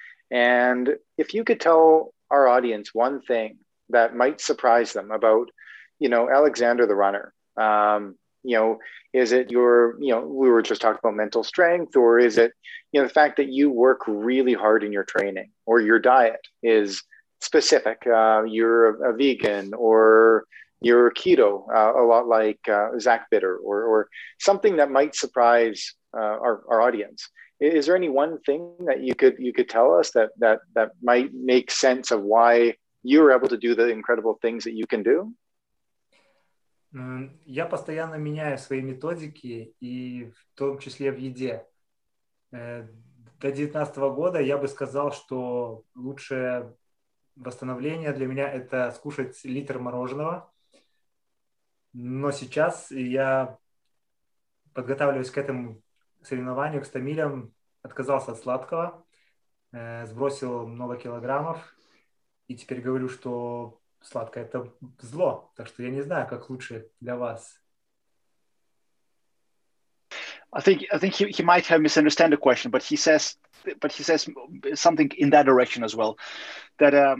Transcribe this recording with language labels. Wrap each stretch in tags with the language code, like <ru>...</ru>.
<en>And if you could tell our audience one thing that might surprise them about, you know, Alexander the runner, you know, is it your, you know, we were just talking about mental strength, or is it, you know, the fact that you work really hard in your training, or your diet is specific, you're a vegan, or you're keto, a lot like Zach Bitter, or something that might surprise our audience. Is there any one thing that you could tell us that might make sense of why you're able to do the incredible things that you can do?</en> <ru>Я постоянно меняю свои методики, и в том числе в еде. До 19 года я бы сказал, что лучшее восстановление для меня это скушать литр мороженого. Но сейчас я подготавливаюсь к этому соревнованию, к 100 милям. Отказался от сладкого, сбросил много килограммов, и теперь говорю, что сладкое – это зло. Так что я не знаю, как лучше для вас.</ru> <en>I think he might have misunderstood the question, but he says something in that direction as well, that</en>